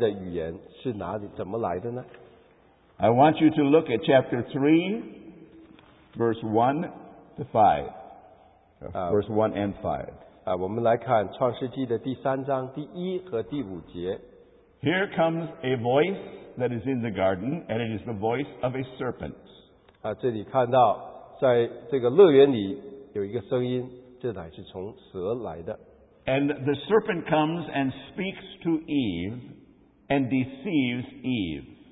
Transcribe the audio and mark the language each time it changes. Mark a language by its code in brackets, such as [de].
[zh] 那么地狱而来的语言是哪里,怎么来的呢? [en] I want you to look at chapter 3, verse 1 to 5. Verse 1 and 5. [zh] 我们来看创世纪的第三章第一和第五节。 [en] Here comes a voice that is in the garden, and it is the voice of a serpent. [zh] 这里看到在这个乐园里有一个声音，这乃是从蛇来的。And [en] the serpent comes and speaks to Eve and deceives Eve.